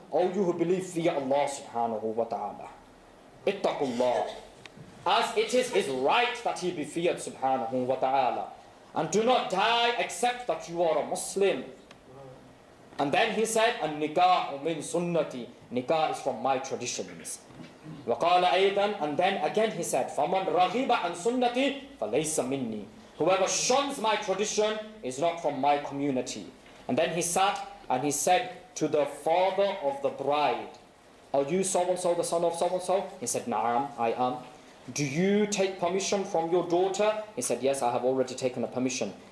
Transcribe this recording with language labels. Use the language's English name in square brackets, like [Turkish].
[English] O you who believe via Allah subhanahu wa ta'ala, ittaqullah, as it is his right that he be feared subhanahu wa ta'ala, and do not die except that you are a Muslim. And then he said, An nikahu min sunnati, nikah is from my traditions. [Arabic] وَقَالَ أَيْضًا. [English] And then again he said, [Arabic] فَمَنْ رَغِيبَ عَنْ سُنَّتِي فَلَيْسَ مِنِّي. [English] Whoever shuns my tradition is not from my community. And then he sat and he said to the father of the bride, Are you so-and-so the son of so-and-so? He said, Na'am, I am. Do you take permission from your daughter? He said, yes, I have already taken the permission.